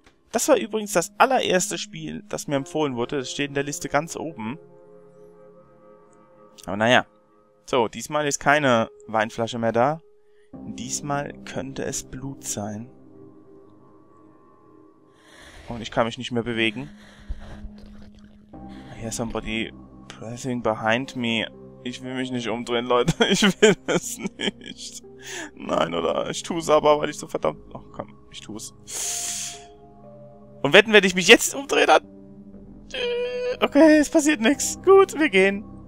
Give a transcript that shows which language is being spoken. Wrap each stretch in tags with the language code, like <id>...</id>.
<de>Das war übrigens das allererste Spiel, das mir empfohlen wurde. Das steht in der Liste ganz oben. Aber naja. So, diesmal ist keine Weinflasche mehr da. Diesmal könnte es Blut sein. Und ich kann mich nicht mehr bewegen.</de> <en>I hear somebody pressing behind me.</en> <de>Ich will mich nicht umdrehen, Leute. Ich will es nicht. Nein, oder? Ich tue es aber, weil ich so verdammt... Ach komm, ich tue es. Und wetten, wenn ich mich jetzt umdrehe, dann... Okay, es passiert nichts. Gut, wir gehen.</de>